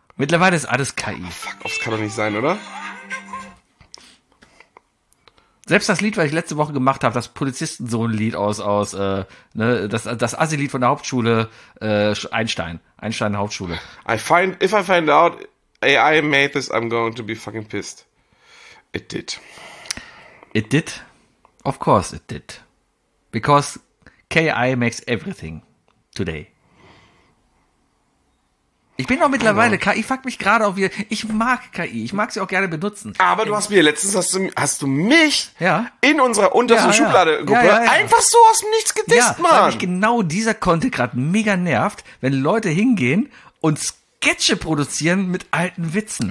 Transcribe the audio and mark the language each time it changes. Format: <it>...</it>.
<de>Mittlerweile ist alles KI. Oh, fuck off, das kann doch nicht sein, oder? Selbst das Lied, was ich letzte Woche gemacht habe, das Polizistensohn-Lied das Assi-Lied von der Hauptschule, Einstein Hauptschule.</de> <en>If I find out AI made this, I'm going to be fucking pissed. It did? Of course it did. Because KI makes everything today.</en> <de>Ich bin auch mittlerweile, KI fuckt mich gerade auf ihr. Ich mag KI, ich mag sie auch gerne benutzen. Aber du hast mir letztens, hast du mich ja. in unserer untersten Schubladegruppe einfach so aus dem Nichts gedisst, Mann. Ja, weil mich genau dieser Content gerade mega nervt, wenn Leute hingehen und Sketche produzieren mit alten Witzen.</de>